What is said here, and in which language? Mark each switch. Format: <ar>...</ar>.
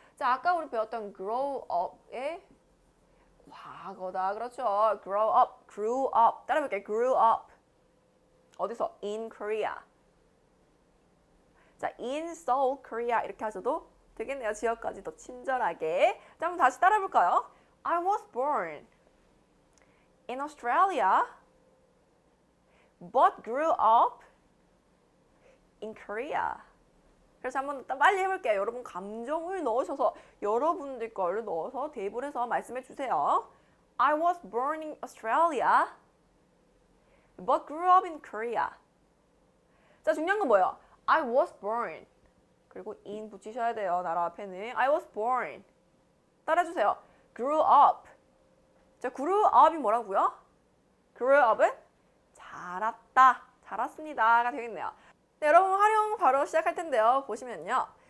<ko>자, 아까 우리 배웠던 grow up의 과거다. 그렇죠.</ko> <en>grow up, grew up.</en> <ko>따라해볼게요.</ko> <en>grew up.</en> <ko>어디서?</ko> <en>in Korea. 자, in Seoul, Korea.</en> <ko>이렇게 하셔도 되겠네요. 지역까지 더 친절하게. 자, 한번 다시 따라해볼까요?</ko> <en>I was born in Australia, but grew up in Korea.</en> <ko>그래서 한번 빨리 해볼게요. 여러분 감정을 넣으셔서, 여러분들 거를 넣어서 테이블에서 말씀해 주세요.</ko> <en>I was born in Australia, but grew up in Korea.</en> <ko>자, 중요한 건 뭐예요?</ko> <en>I was born.</en> <ko>그리고 in 붙이셔야 돼요. 나라 앞에는.</ko> <en>I was born.</en> <ko>따라해주세요.</ko> <en>grew up.</en> <ko>자, grew up이 뭐라고요? grew up은 자랐다. 자랐습니다가 되겠네요. 네, 여러분 활용 바로 시작할 텐데요. 보시면요.</ko>